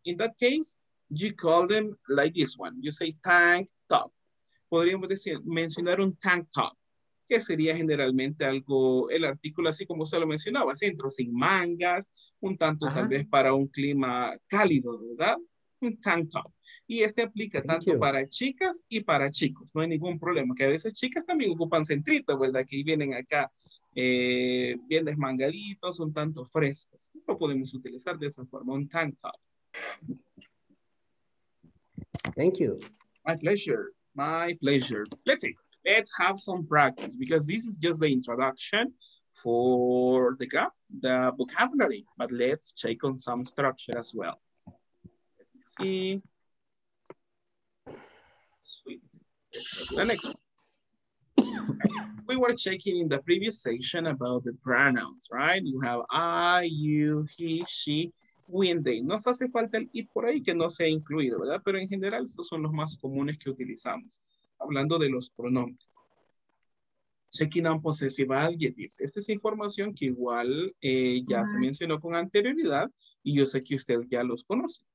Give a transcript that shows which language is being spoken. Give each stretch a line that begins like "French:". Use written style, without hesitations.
English: In that case, you call them like this one. You say tank top.
Spanish: Podríamos decir, mencionar un tank top, que sería generalmente algo, el artículo así como se lo mencionaba, centro sin mangas, un tanto tal vez para un clima cálido, ¿verdad? Un tank top. Y este aplica tanto para chicas y para chicos. No hay ningún problema, que a veces chicas también ocupan centrito, ¿verdad? Que vienen acá bien desmangaditos, un tanto frescos. Lo podemos utilizar de esa forma, un tank top.
English: Thank you. My pleasure. My pleasure. Let's see. let's have some practice because this is just the introduction for the vocabulary, but let's check on some structure as well. Let me see. Sweet. The next one. We were checking in the previous session about the pronouns, right? You have I, you, he, she, when they.
Spanish: Nos hace falta el it por ahí que no sea incluido, ¿verdad? Pero en general, estos son los más comunes que utilizamos. Hablando de los pronombres.
English: Checking on possessive adjectives.
Spanish: Esta es información que igual ya se mencionó con anterioridad y yo sé que usted ya los conoce.